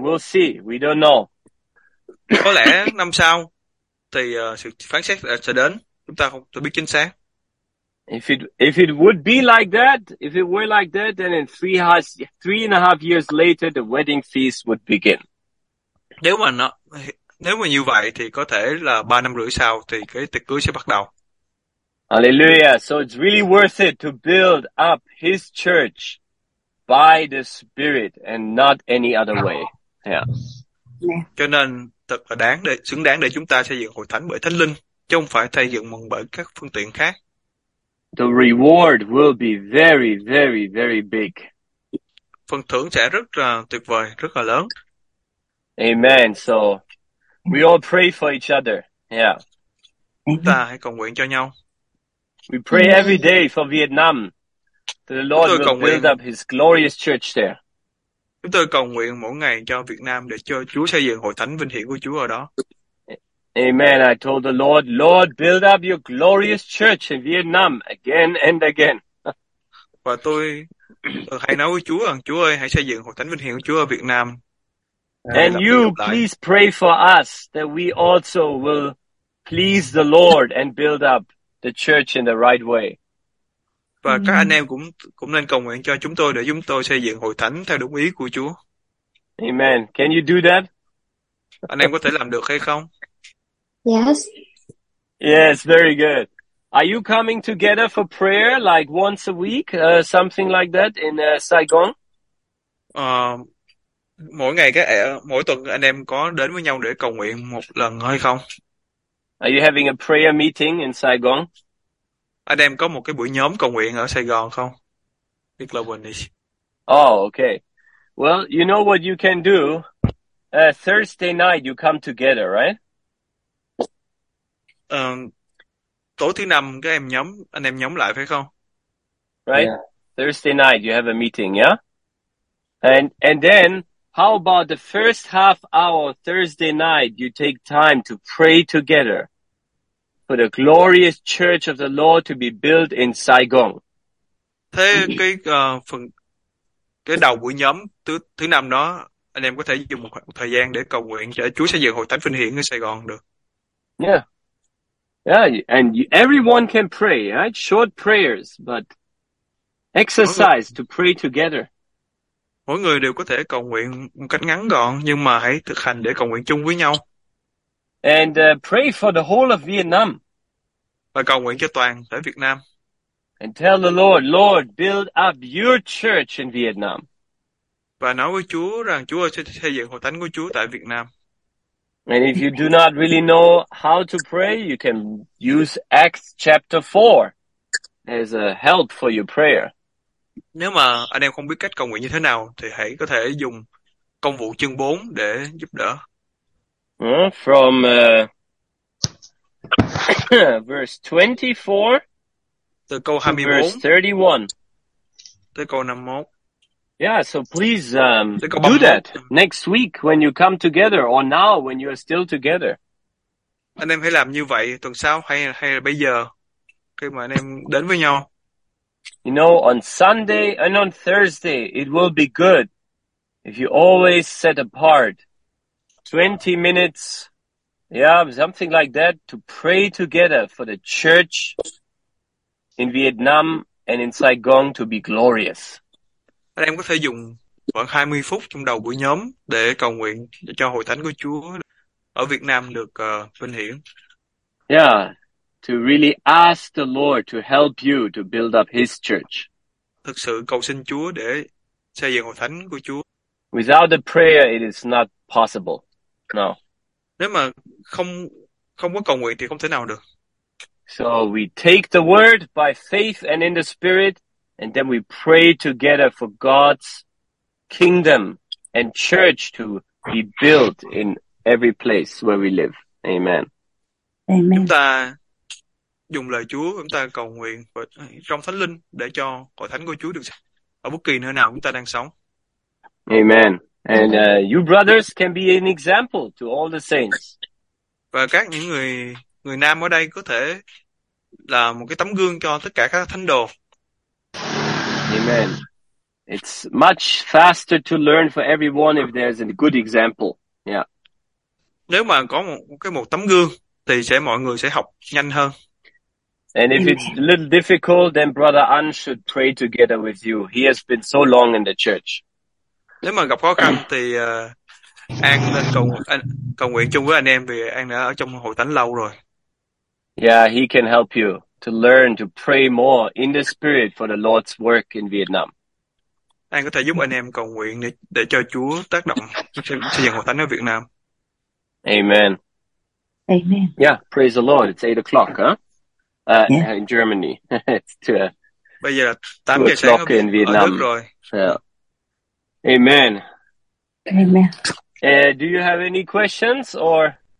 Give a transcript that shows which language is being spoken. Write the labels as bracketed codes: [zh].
[en] We'll see. We don't know. [vi] Có lẽ năm sau thì sự phán xét sẽ đến. Chúng ta không thể biết chính xác. [en] If it would be like that, if it were like that, then in 3.5 years later the wedding feast would begin. [vi] Nếu mà như vậy thì có thể là 3 năm rưỡi sau thì cái tiệc cưới sẽ bắt đầu. [en] Hallelujah. So it's really worth it to build up his church by the Spirit and not any other way. [vi] Cho nên thật là đáng để xứng đáng để chúng ta xây dựng hội thánh bởi thánh linh chứ không phải xây dựng bằng bởi các phương tiện khác. [en] The reward will be very, very, very big. [vi] Phần thưởng sẽ rất là tuyệt vời, rất là lớn. [en] Amen. So we all pray for each other. [vi] Chúng ta hãy cầu nguyện cho nhau. [en] We pray every day for Vietnam. The Lord will build up his glorious church there. [vi] Chúng tôi cầu nguyện mỗi ngày cho Việt Nam để cho Chúa xây dựng hội thánh vinh hiển của Chúa ở đó. [en] I told the Lord, Lord, build up your glorious church in Vietnam again and again. [vi] Và tôi hay nói với Chúa rằng Chúa ơi, hãy xây dựng hội thánh vinh hiển của Chúa ở Việt Nam. [en] And [vi] Lặp đi lặp [en] you [vi] lại. [en] please pray for us that we also will please the Lord and build up the church in the right way. [vi] Và các anh em cũng cũng nên cầu nguyện cho chúng tôi để chúng tôi xây dựng hội thánh theo đúng ý của Chúa. [en] Amen. Can you do [vi] Anh [en] that? [vi] em có thể làm được hay không? [en] Yes, very good. Are you coming together for prayer like once a week, something like that in Saigon? [vi] Mỗi ngày mỗi tuần anh em có đến với nhau để cầu nguyện một lần hay không? [en] Are you having a prayer meeting in Saigon? [vi] Anh em có một cái buổi nhóm cầu nguyện ở Sài Gòn không? Biết là buồn đi. [en] Oh, okay. Well, you know what you can do? Thursday night you come together, right? [vi] Tối thứ năm các em nhóm anh em nhóm lại phải không? [en] Right? Thursday night you have a meeting, yeah? And then how about the first half hour Thursday night you take time to pray together for the glorious church of the Lord to be built in Saigon? [vi] Thế cái phần cái đầu buổi nhóm thứ thứ năm đó anh em có thể dùng một khoảng thời gian để cầu nguyện cho Chúa xây dựng hội thánh vinh hiển ở Sài Gòn được. [en] And everyone can pray, right? Short prayers, but exercise to pray together. [vi] Mỗi người đều có thể cầu nguyện một cách ngắn gọn nhưng mà hãy thực hành để cầu nguyện chung với nhau. [en] And pray for the whole of Vietnam. [vi] Và cầu nguyện cho toàn thể Việt Nam. [en] And tell the Lord, Lord, build up your church in Vietnam. [vi] Và nói với Chúa rằng Chúa ơi, sẽ xây dựng hội thánh của Chúa tại Việt Nam. [en] And if you do not really know how to pray, you can use Acts chapter 4 as a help for your prayer. [vi] Nếu mà anh em không biết cách cầu nguyện như thế nào thì hãy có thể dùng công vụ chương 4 để giúp đỡ. [en] From verse 24 [vi] Từ câu [en] to verse [vi] 24 [en] 31. [vi] tới câu 51. [en] Yeah, so please [vi] Tới câu [en] do [vi] 31. [en] that next week when you come together or now when you are still together. [vi] Anh em hãy làm như vậy tuần sau hay là bây giờ khi mà anh em đến với nhau. [en] Know, on Sunday and on Thursday, it will be good If you always set apart 20 minutes, yeah, something like that, to pray together for the church in Vietnam and in Saigon to be glorious. [vi] Anh em có thể dùng khoảng 20 phút trong đầu buổi nhóm để cầu nguyện cho hội thánh của Chúa ở Việt Nam được vinh hiển. [en] Yeah, to really ask the Lord to help you to build up His church. [vi] Thực sự cầu xin Chúa để xây dựng hội thánh của Chúa. [en] Without the prayer, it is not possible. No. [vi] Nếu mà không có cầu nguyện thì không thể nào được. [en] So we take the word by faith and in the spirit, and then we pray together for God's kingdom and church to be built in every place where we live. Amen. Amen. [vi] Chúng ta dùng lời Chúa, chúng ta cầu nguyện trong Thánh Linh để cho hội thánh của Chúa được ở bất kỳ nơi nào chúng ta đang sống. [en] Amen. And you brothers can be an example to all the saints. [vi] Và các những người nam ở đây có thể là một cái tấm gương cho tất cả các thánh đồ. [en] Amen. It's much faster to learn for everyone if there's a good example. Yeah. [vi] Nếu mà có một tấm gương thì sẽ mọi người sẽ học nhanh hơn. [en] And if it's a little difficult, then Brother An should pray together with you. He has been so long in the church. [vi] Nếu mà gặp khó khăn thì An nên cầu nguyện chung với anh em vì An đã ở trong hội thánh lâu rồi. [en] Yeah, he can help you to learn to pray more in the spirit for the Lord's work in Vietnam. [vi] An có thể giúp anh em cầu nguyện để cho Chúa tác động xây dựng hội thánh ở Việt Nam. [en] Amen. Amen. Yeah, praise the Lord. It's 8 o'clock, huh? Yeah. In Germany. [vi] Bây giờ là 8 giờ sáng ở Vietnam rồi. [en] Yeah. Amen. Amen. Do you have any questions or?